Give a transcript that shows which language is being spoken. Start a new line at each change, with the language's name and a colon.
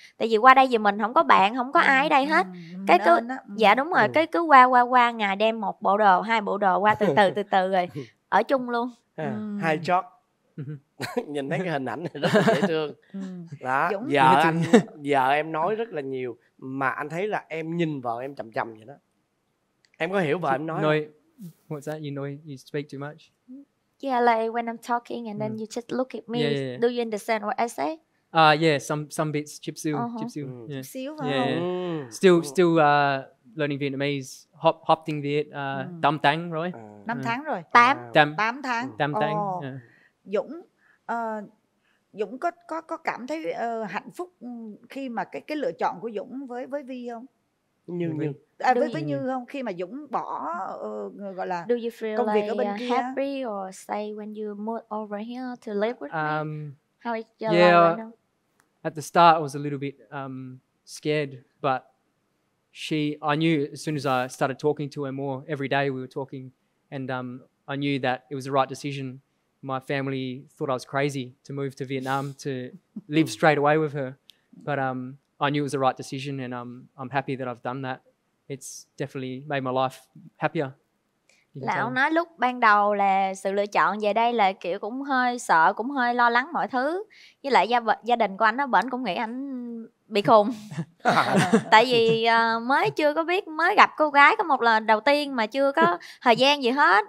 Vietnamese: Tại vì qua đây vì mình không có bạn, không có ai ở đây hết. Cái cứ dạ đúng rồi, cái cứ qua ngày đem một bộ đồ, hai bộ đồ qua từ từ rồi ở chung luôn. Hai chót. Nhìn thấy cái hình ảnh này rất là dễ thương. Đó, vợ em nói rất là nhiều mà anh thấy là em nhìn vợ em chằm chằm vậy đó. Em có hiểu vợ em nói không?
English: What's that? You know you speak too much. Yeah, like when I'm talking and then you just look at me. Yeah, yeah, yeah. Do you understand what I say? Some bits chipsu. Uh-huh. Chipsu. Mm. Yeah. Chipsu. Yeah. Yeah. Mm. Still learning Vietnamese.
Vietnamese: Hop tiếng Việt. Tám tháng rồi. Năm tháng rồi. Tám. Tám tháng. Tám tháng. Dũng, Dũng có cảm thấy hạnh phúc khi mà cái lựa chọn của Dũng với Vi không? Như không, khi mà Dũng bỏ gọi là
English: do you feel
Vietnamese: công việc
English: like
Vietnamese: ở bên kia
English: happy or say when you move over here to live with me, how is your life now? At the start I was a little bit scared, but I knew as soon as I started talking to her more every day we were talking, and I knew that it was the right decision. My family thought I was crazy to move to Vietnam to live straight away with her, but I knew it was the right decision, and I'm happy that I've done that. It's definitely made my life happier.
Vietnamese: Là ông nói lúc ban đầu là sự lựa chọn về đây là kiểu cũng hơi sợ, cũng hơi lo lắng mọi thứ. Với lại gia đình của anh ở bển cũng nghĩ anh bị khùng. Tại vì mới chưa có biết, mới gặp cô gái có một lần đầu tiên mà chưa có thời gian gì hết.